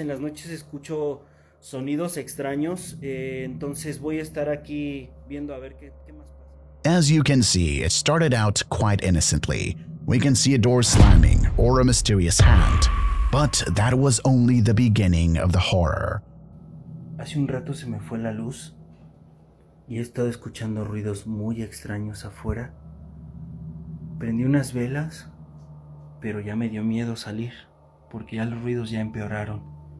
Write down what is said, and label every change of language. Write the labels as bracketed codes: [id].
[es] En las noches escucho sonidos extraños. Entonces voy a estar aquí viendo a ver qué más. [en] As you can see, it started out quite innocently. We can see a door slamming or a mysterious hand. But that was only the beginning of the horror. [es] Hace un rato se me fue la luz y he estado escuchando ruidos muy extraños afuera. Prendí unas velas, pero ya me dio miedo salir porque ya los ruidos ya empeoraron.